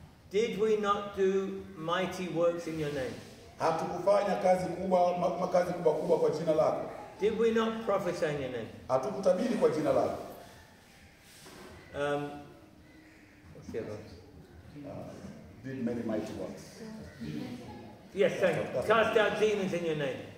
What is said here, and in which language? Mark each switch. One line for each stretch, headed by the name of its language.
English: did we not do mighty works in your name?
Swahili: Hatukufanya kazi kubwa kubwa kwa jina lako?
English: Did we not prophesy in your name?
Swahili: Hatukutabiri kwa jina lako?
English: What's the other one? Did many mighty works. Yes, thank you. Cast out demons in your name.